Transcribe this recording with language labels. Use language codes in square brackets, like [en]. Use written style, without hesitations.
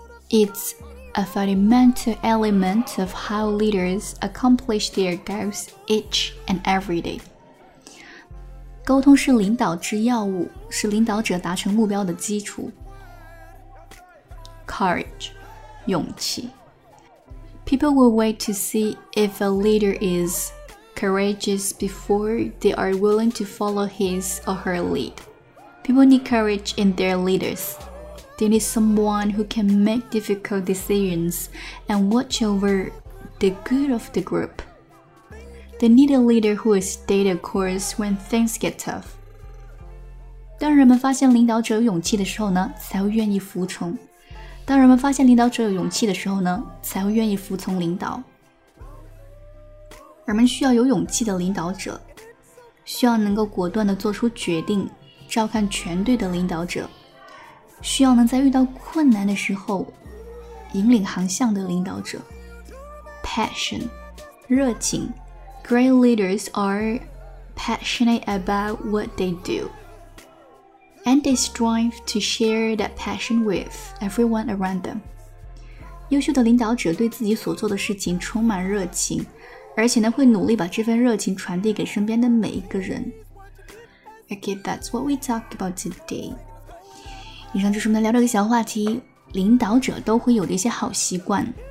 [en] It's a fundamental element of how leaders accomplish their goals each and every day. [zh] 沟通是领导之要务，是领导者达成目标的基础。 [en] Courage， 勇气。 People will wait to see if a leader is courageous before they are willing to follow his or her lead. People need courage in their leaders. They need someone who can make difficult decisions and watch over the good of the group. They need a leader who will stay the course when things get tough. [zh] 当人们发现领导者有勇气的时候呢，才会愿意服从。当人们发现领导者有勇气的时候呢，才会愿意服从领导。人们需要有勇气的领导者，需要能够果断地做出决定，照看全队的领导者，需要能在遇到困难的时候引领航向的领导者。 [en] Passion， 热情。 Great leaders are passionate about what they doAnd they strive to share that passion with everyone around them. [zh] 优秀的领导者对自己所做的事情充满热情，而且呢，会努力把这份热情传递给身边的每一个人。 [en] Okay, that's what we talked about today. [zh] 以上就是我们聊的一个小话题，领导者都会有的一些好习惯。